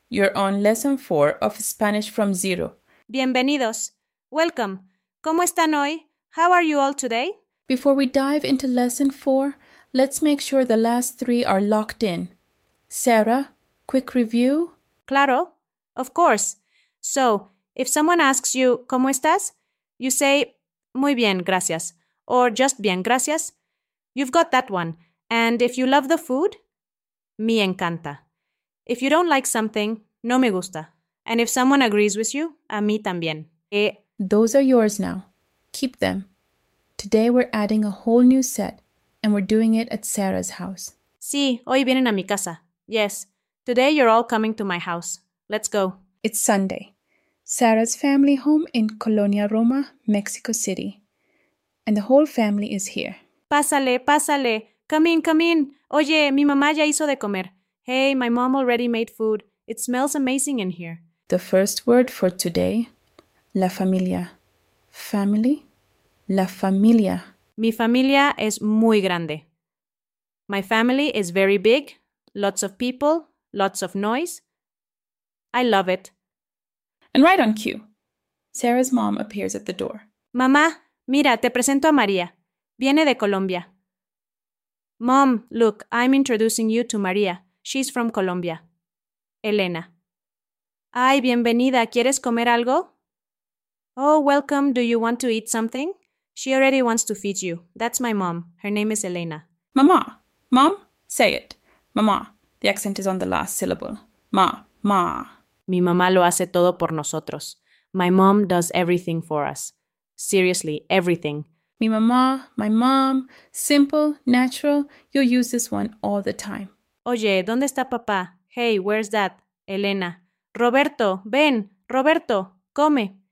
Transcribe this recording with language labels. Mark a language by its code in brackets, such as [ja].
[en] You're on Lesson 4 of Spanish from Zero. [es] Bienvenidos. [en] Welcome. [es] ¿Cómo están hoy? [en] How are you all today? Before we dive into Lesson 4, let's make sure the last three are locked in. Sarah, quick review? [es] Claro. [en] Of course. So, if someone asks you, [es] ¿cómo estás? [en] You say, [es] muy bien, gracias. [en] Or just [es] bien, gracias. [en] You've got that one. And if you love the food, [es] me encanta. [en] If you don't like something, [es] no me gusta. [en] And if someone agrees with you, [es] a mí también. [en] Those are yours now. Keep them. Today we're adding a whole new set, and we're doing it at Sarah's house. [es] Sí, hoy vienen a mi casa. [en] Yes, today you're all coming to my house. Let's go. It's Sunday. Sarah's family home in Colonia Roma, Mexico City. And the whole family is here. [es] Pásale, pásale. [en] Come in, come in. [es] Oye, mi mamá ya hizo de comer. [en] Hey, my mom already made food. It smells amazing in here. The first word for today, [es] la familia. [en] Family, [es] la familia. Mi familia es muy grande. [en] My family is very big. Lots of people, lots of noise. I love it. And right on cue, Sarah's mom appears at the door. [es] Mamá, mira, te presento a María. Viene de Colombia. [en] Mom, look, I'm introducing you to María. She's from Colombia. Elena. [es] Ay, bienvenida. ¿Quieres comer algo? [en] Oh, welcome. Do you want to eat something? She already wants to feed you. That's my mom. Her name is Elena. Mamá. Mom? Say it. Mamá. The accent is on the last syllable. Ma. Ma. [es] Mi mamá lo hace todo por nosotros. [en] My mom does everything for us. Seriously, everything. [es] Mi mamá. [en] My mom. Simple. Natural. You'll use this one all the time. [es] Oye, ¿dónde está papá? [en] Hey, where's that? [es] Elena. Roberto, ven. [en] Roberto, come.